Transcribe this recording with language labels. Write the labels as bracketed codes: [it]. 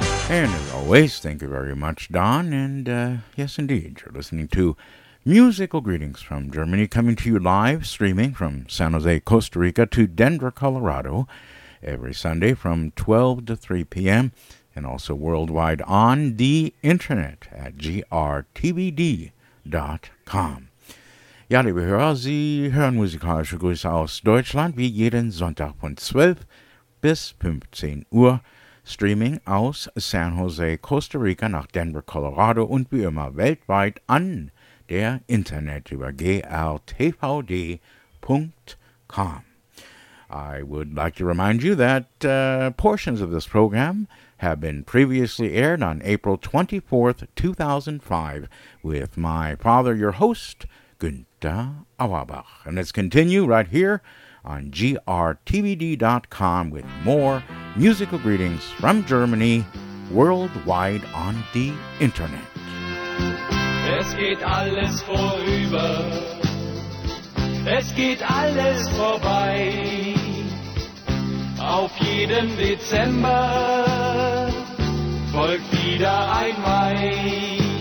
[en] And as always, thank you very much, Don. And yes, indeed, you're listening to Musical Greetings from Germany, coming to you live, streaming from San Jose, Costa Rica to Denver, Colorado, every Sunday from 12 to 3 p.m., and also worldwide on the internet at grtvd.com. [de] Ja, liebe Hörer, Sie hören musikalische Grüße aus Deutschland, wie jeden Sonntag von 12 bis 15 Uhr, streaming aus San Jose, Costa Rica nach Denver, Colorado und wie immer weltweit an der Internet über grtvd.com. [en] I would like to remind you that portions of this program have been previously aired on April 24th, 2005, with my father, your host, Günter Auerbach. And let's continue right here on grtvd.com with more musical greetings from Germany, worldwide on the internet. [de] Es geht alles vorüber, es geht alles vorbei, auf jeden Dezember folgt wieder ein Mai.